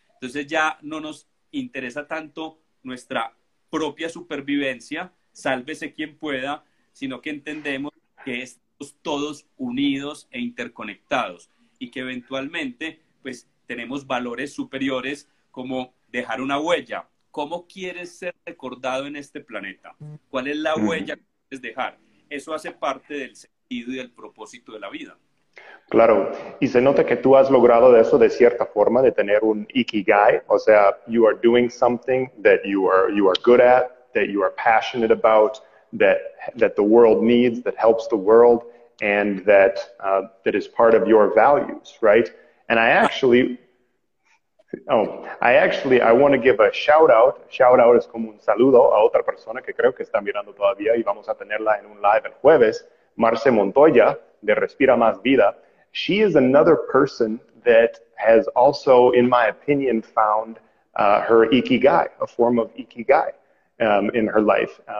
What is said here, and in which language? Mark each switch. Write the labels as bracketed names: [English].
[Spanish] Entonces ya no nos interesa tanto nuestra propia supervivencia, sálvese quien pueda, sino que entendemos que estamos todos unidos e interconectados, y que eventualmente pues tenemos valores superiores como dejar una huella. ¿Cómo quieres ser recordado en este planeta? ¿Cuál es la huella que quieres dejar? Eso hace parte del sentido y del propósito de la vida. Claro, y se nota que tú has logrado de eso de cierta forma, de tener un ikigai, o sea, [English] you are doing something that you are good at, that you are passionate about, that the world needs, that helps the world, and that is part of your values, right? And I want to give a shout out [Spanish] es como un saludo a otra persona que creo que está mirando todavía, y vamos a tenerla en un live el jueves, Marce Montoya, de Respira Más Vida. [English] She is another person that has also, in my opinion, found her ikigai, a form of ikigai in her life.